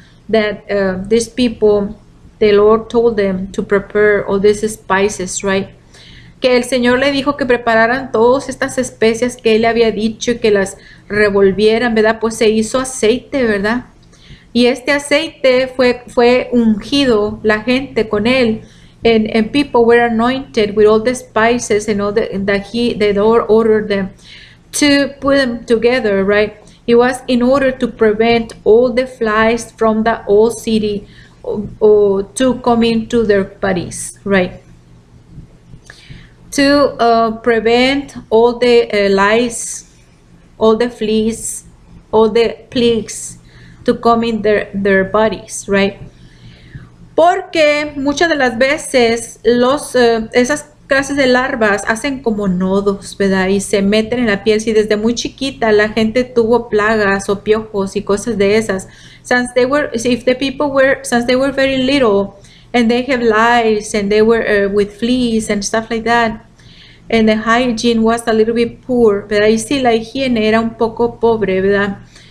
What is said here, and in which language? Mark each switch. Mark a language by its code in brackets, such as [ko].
[en] That these people, the Lord told them to prepare all these spices, right? [es] Que el Señor le dijo que prepararan todas estas especias que él le había dicho y que las revolvieran, ¿verdad? Pues se hizo aceite, ¿verdad? Y este aceite fue ungido, la gente con él. [en] And people were anointed with all the spices and all the Lord ordered them to put them together, right? It was in order to prevent all the flies from the old city or to come into their bodies, right? To prevent all the lice, all the fleas, all the plagues to come in their bodies, right? [es] Porque muchas de las veces esas clases de larvas hacen como nodos, ¿verdad? Y se meten en la piel. Si desde muy chiquita la gente tuvo plagas o piojos y cosas de esas, [en] since they were very little and they have lice and they were with fleas and stuff like that, and the hygiene was a little bit poor, [es] ¿verdad? Y si la higiene era un poco pobre, ¿verdad?